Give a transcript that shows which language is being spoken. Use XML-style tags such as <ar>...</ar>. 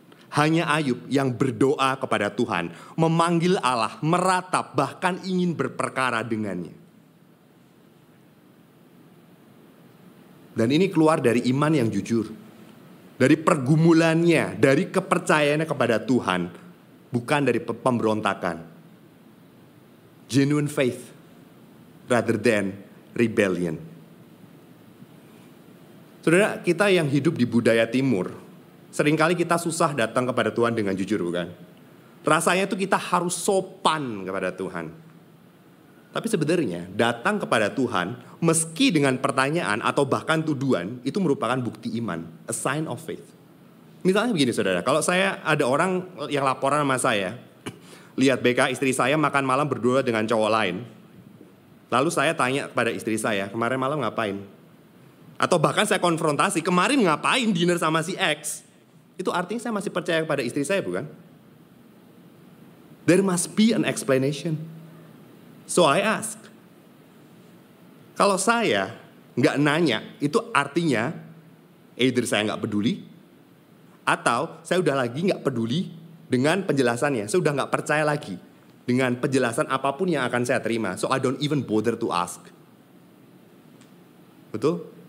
<id>Hanya Ayub yang berdoa kepada Tuhan, memanggil Allah, meratap, bahkan ingin berperkara dengannya. Dan ini keluar dari iman yang jujur, dari pergumulannya, dari kepercayaannya kepada Tuhan, bukan dari pemberontakan.</id> <en>Genuine faith rather than rebellion.</en> <id>Saudara, kita yang hidup di budaya timur, seringkali kita susah datang kepada Tuhan dengan jujur, bukan? Rasanya itu kita harus sopan kepada Tuhan. Tapi sebenarnya, datang kepada Tuhan, meski dengan pertanyaan atau bahkan tuduhan, itu merupakan bukti iman,</id> <en>a sign of faith.</en> <id>Misalnya begini, saudara, kalau saya ada orang yang laporan sama saya, lihat BK istri saya makan malam berdua dengan cowok lain, lalu saya tanya kepada istri saya, kemarin malam ngapain? Atau bahkan saya konfrontasi, kemarin ngapain dinner sama si X? Itu artinya saya masih percaya kepada istri saya, bukan?</id> <en>There must be an explanation. So I ask.</en> <id>Kalau saya gak nanya, itu artinya either saya gak peduli, atau saya udah lagi gak peduli dengan penjelasannya. Saya udah gak percaya lagi dengan penjelasan apapun yang akan saya terima.</id> <en>So I don't even bother to ask.</en> <id>Betul?</id>